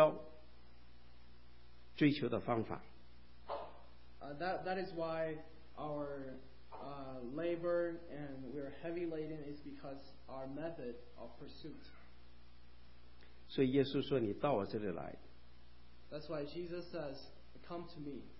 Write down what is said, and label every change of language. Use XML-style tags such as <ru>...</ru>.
<zh>所以这是我们为什么我们会觉得劳苦背重担，是因为我们的追求的目标，追求的方法。</zh> <en>That is why our labor and we are heavy laden is because our method of pursuit.</en> <zh>所以耶稣说你到我这里来,</zh> <en>That's why Jesus says, come to me.</en>